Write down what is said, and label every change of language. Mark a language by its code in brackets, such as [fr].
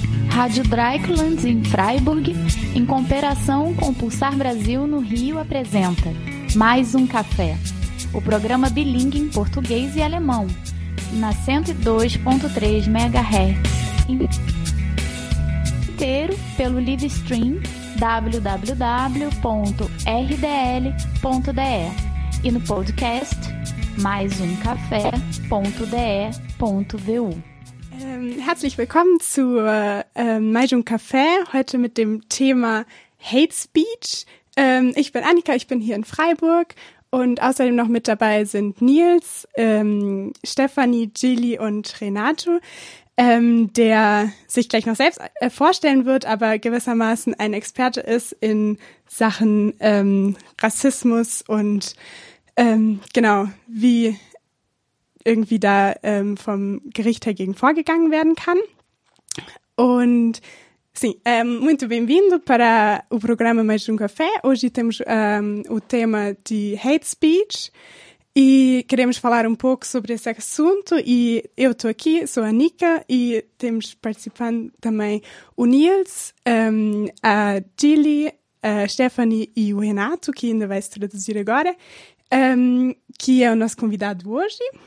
[pt] Rádio Dreieckland em Freiburg, em cooperação com o Pulsar Brasil no Rio, apresenta Mais um Café, o programa bilíngue em português e alemão, na 102.3 MHz, inteiro pelo live stream www.rdl.de e no podcast maisumcafé.de.vu. [de] Herzlich willkommen zu Maisum Café, heute mit dem Thema Hate Speech. Ich bin Annika, ich bin hier in Freiburg und außerdem noch mit dabei sind Nils, Stefanie, Gilly und Renato, der sich gleich noch selbst vorstellen wird, aber gewissermaßen ein Experte ist in Sachen Rassismus und genau, wie irgendwie da vom Gericht dagegen vorgegangen werden kann. [pt] Und sim, muito bem-vindo para o programa Mais um Café. Hoje temos o tema de hate speech e queremos falar um pouco sobre esse assunto. E eu estou aqui, sou a Nika, e temos participando também o Nils, a Gilly, a Stephanie e o Renato, que ainda vai se traduzir agora, que é o nosso convidado hoje.